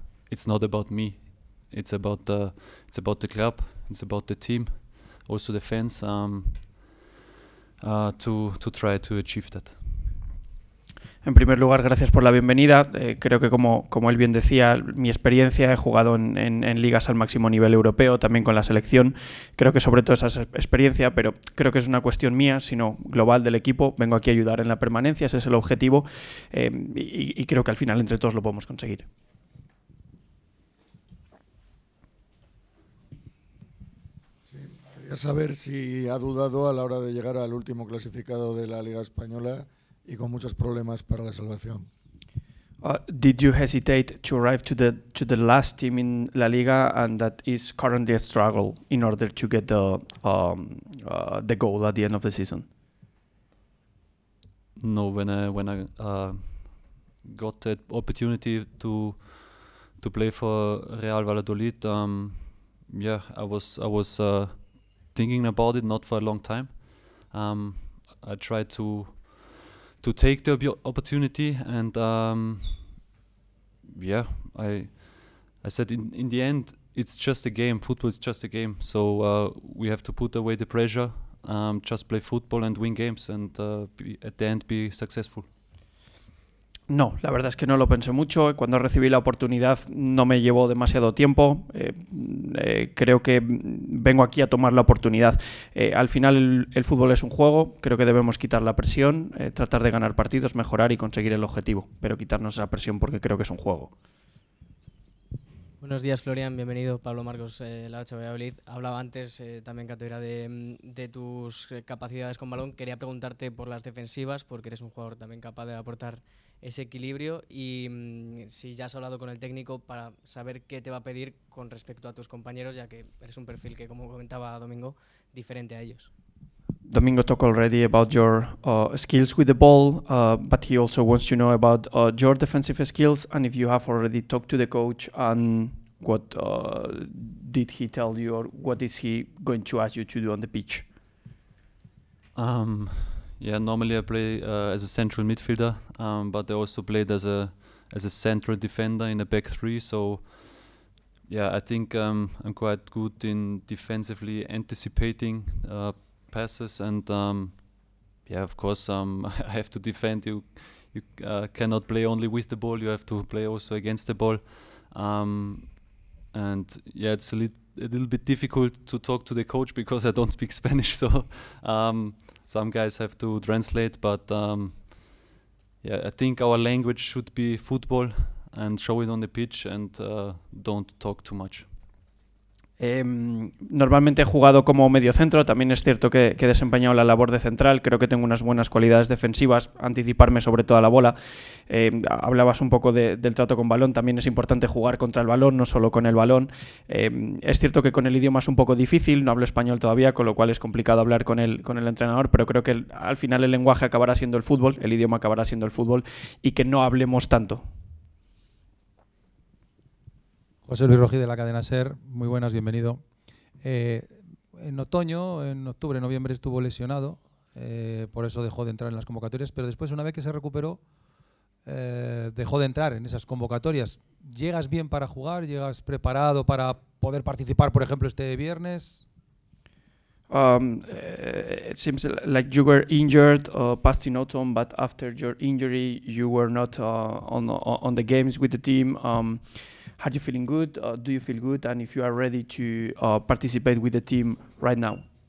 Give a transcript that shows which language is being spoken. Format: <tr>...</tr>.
<en>It's not about me. It's about the club, it's about the team, also the fans, to try to achieve that.</en> <es>En primer lugar, gracias por la bienvenida. Creo que, como él bien decía, mi experiencia, he jugado en ligas al máximo nivel europeo, también con la selección. Creo que sobre todo esa experiencia, pero creo que es una cuestión mía, sino global del equipo. Vengo aquí a ayudar en la permanencia, ese es el objetivo. Y creo que al final entre todos lo podemos conseguir. Sí, quería saber si ha dudado a la hora de llegar al último clasificado de la Liga Española y con muchos problemas para la salvación.</es> <en>Did you hesitate to arrive to the last team in La Liga and that is currently a struggle in order to get the goal at the end of the season? No, when I got the opportunity to play for Real Valladolid, I was thinking about it, not for a long time. I tried to take the opportunity, and I said in the end it's just a game, football is just a game, so we have to put away the pressure, just play football and win games and at the end be successful.</en> <es>No, la verdad es que no lo pensé mucho. Cuando recibí la oportunidad no me llevó demasiado tiempo. Creo que vengo aquí a tomar la oportunidad. Al final el fútbol es un juego. Creo que debemos quitar la presión, tratar de ganar partidos, mejorar y conseguir el objetivo. Pero quitarnos esa presión porque creo que es un juego. Buenos días, Florian. Bienvenido. Pablo Marcos, La Ocho Valladolid. Hablaba antes también, Catoira, de tus capacidades con balón. Quería preguntarte por las defensivas, porque eres un jugador también capaz de aportar ese equilibrio, y si ya has hablado con el técnico para saber qué te va a pedir con respecto a tus compañeros, ya que eres un perfil que, como comentaba Domingo, diferente a ellos.</es> <en>Domingo talked already about your skills with the ball, but he also wants to know about your defensive skills and if you have already talked to the coach and what did he tell you or what is he going to ask you to do on the pitch. Normally I play as a central midfielder, but I also played as a central defender in the back three. So, I think I'm quite good in defensively anticipating passes, and of course I have to defend. You cannot play only with the ball; you have to play also against the ball. It's a little bit difficult to talk to the coach because I don't speak Spanish, so. Some guys have to translate, but I think our language should be football and show it on the pitch and don't talk too much.</en> <es>Normalmente he jugado como medio centro, también es cierto que he desempeñado la labor de central, creo que tengo unas buenas cualidades defensivas, anticiparme sobre todo a la bola. Hablabas un poco del trato con balón, también es importante jugar contra el balón, no solo con el balón. Es cierto que con el idioma es un poco difícil, no hablo español todavía, con lo cual es complicado hablar con el entrenador, pero creo que al final el lenguaje acabará siendo el fútbol, el idioma acabará siendo el fútbol, y que no hablemos tanto. José Luis Rogi de la cadena SER, muy buenas, bienvenido. en otoño, en octubre, noviembre estuvo lesionado, por eso dejó de entrar en las convocatorias, pero después, una vez que se recuperó, dejó de entrar en esas convocatorias. ¿Llegas bien para jugar? ¿Llegas preparado para poder participar, por ejemplo, este viernes?</es> <en>It seems like you were injured past in autumn, but after your injury, you were not on the games with the team. Are you feeling good? Do you feel good? And if you are ready to participate with the team right now?</en>